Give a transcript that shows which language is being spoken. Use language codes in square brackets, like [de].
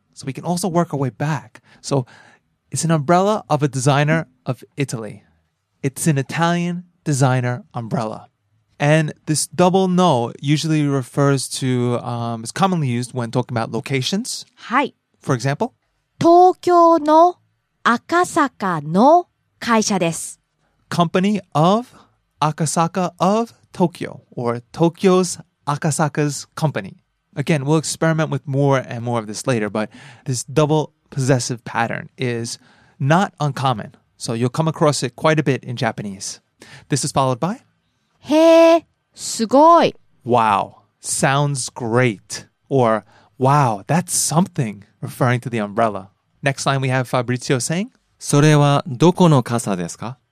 [en] So we can also work our way back. So... It's an umbrella of a designer of Italy. It's an Italian designer umbrella. And this double no usually refers to, is commonly used when talking about locations. [ja] はい。 [en] For example? [ja] 東京の赤坂の会社です。 [en] Company of 赤坂 of Tokyo, or Tokyo's Akasaka's company. Again, we'll experiment with more and more of this later, but this double possessive pattern is not uncommon. So you'll come across it quite a bit in Japanese. This is followed by... [ja] Hey, すごい! [en] Wow, sounds great. Or, wow, that's something, referring to the umbrella. Next line we have Fabrizio saying... [ja] それはどこの傘ですか?